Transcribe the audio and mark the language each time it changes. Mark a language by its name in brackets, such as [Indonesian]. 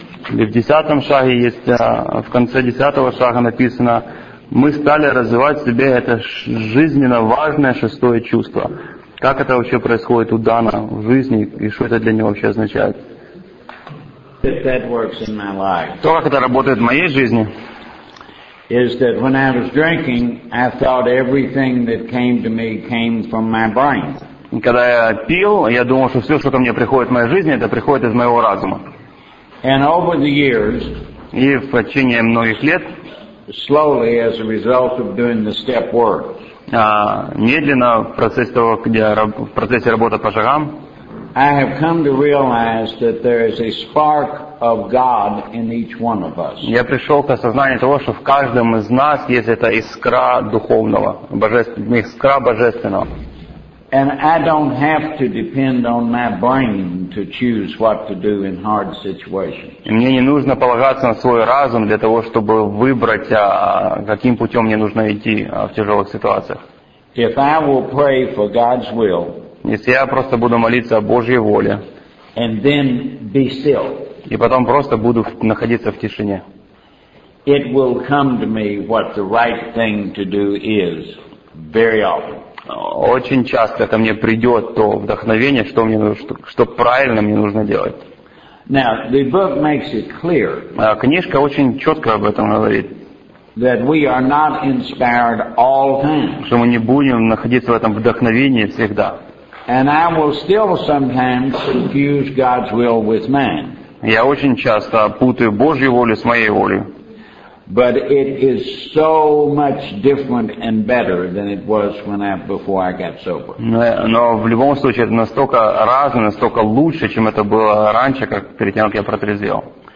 [Russian] И в 10-м шаге есть, в конце 10-го шага написано, мы стали развивать в себе это жизненно важное шестое чувство. Как это вообще происходит у Дана в жизни и что это для него вообще означает? То, как это работает в моей жизни, [English] is that when I was drinking, I thought everything that came to me came from my brain. [Russian] Когда я пил, я думал, что все, что ко мне приходит в моей жизни, это приходит из моего разума. [English] And over the years, [Russian] и в течение многих лет, [English] slowly, as a result of doing the step work, [Russian] медленно в процессе работы по шагам, [English] I have come to realize that there is a spark of God in each one of us. [Russian] Я пришел к осознанию того, что в каждом из нас есть эта искра духовного, искра божественного. [English] And I don't have to depend on my brain to choose what to do in hard situations. [Russian] И мне не нужно полагаться на свой разум для того, чтобы выбрать, каким путем мне нужно идти в тяжелых ситуациях. [English] If I will pray for God's will, [Russian] если я просто буду молиться о Божьей воле, [English] and then be still, [Russian] и потом просто буду находиться в тишине, [English] it will come to me what the right thing to do is very often. [Russian] Очень часто ко мне придет то вдохновение, что мне нужно, что правильно мне нужно делать. [English] Now, the book makes it clear, [Russian] книжка очень четко об этом говорит, [English] that we are not inspired all time, [Russian] что мы не будем находиться в этом вдохновении всегда. [English] And I will still sometimes confuse God's will with man. [Russian] Я очень часто путаю Божью волю с моей волей. [English] But it is so much different and better than it was when I before I got sober. [Russian] Но в любом случае это настолько разное, настолько лучше, чем это было раньше, как перед тем, как я протрезвел.